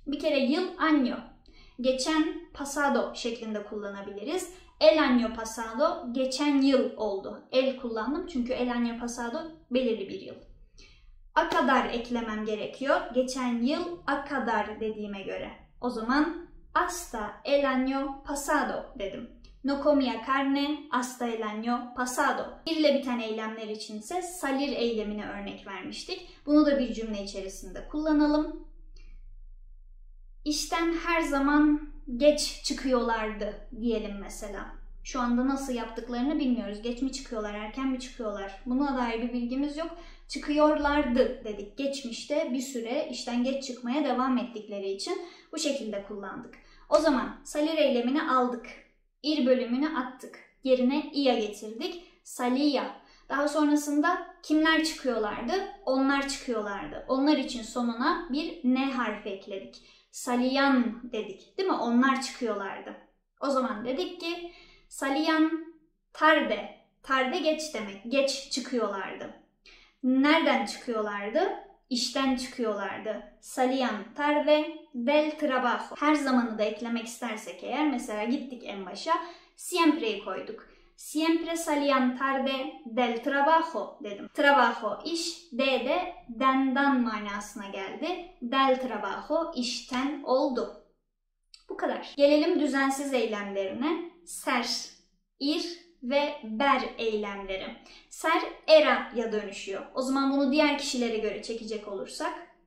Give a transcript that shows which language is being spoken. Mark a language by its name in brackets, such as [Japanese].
[Turkish] Bir kere yıl año. Geçen pasado şeklinde kullanabiliriz. [Spanish] El año pasado [Turkish] geçen yıl oldu. El kullandım çünkü [Spanish] el año pasado [Turkish] belirli bir yıl. A kadar eklemem gerekiyor. Geçen yıl a kadar dediğime göre. O zaman [Spanish] hasta el año pasado [Turkish] dedim. [Spanish] No comía carne hasta el año pasado. [Turkish] Ir ile biten eylemler için ise salir eylemine örnek vermiştik. Bunu da bir cümle içerisinde kullanalım. İşten her zaman geç çıkıyorlardı diyelim mesela. Şu anda nasıl yaptıklarını bilmiyoruz. Geç mi çıkıyorlar, erken mi çıkıyorlar? Buna dair bir bilgimiz yok. Çıkıyorlardı dedik. Geçmişte bir süre işten geç çıkmaya devam ettikleri için bu şekilde kullandık. O zaman salir eylemini aldık. İr bölümünü attık. Yerine ia getirdik. Saliya. Daha sonrasında kimler çıkıyorlardı? Onlar çıkıyorlardı. Onlar için sonuna bir ne harfi ekledik. Saliyan dedik. Değil mi? Onlar çıkıyorlardı. O zaman dedik ki saliyan tarde. Tarde geç demek. Geç çıkıyorlardı. Nereden çıkıyorlardı? İşten çıkıyorlardı. [Spanish] Saliyan tarde del trabajo. [Turkish] Her zamanı da eklemek istersek eğer, mesela gittik en başa, siempre'yi koyduk. [Spanish] Siempre salían tarde del trabajo [Turkish] dedim. Trabajo iş, de de den'dan manasına geldi. [Spanish] Del trabajo [Turkish] işten oldu. Bu kadar. Gelelim düzensiz eylemlerine. Ser, ir ve ber eylemleri. Ser era'ya dönüşüyor. O zaman bunu diğer kişilere göre çekecek olursak.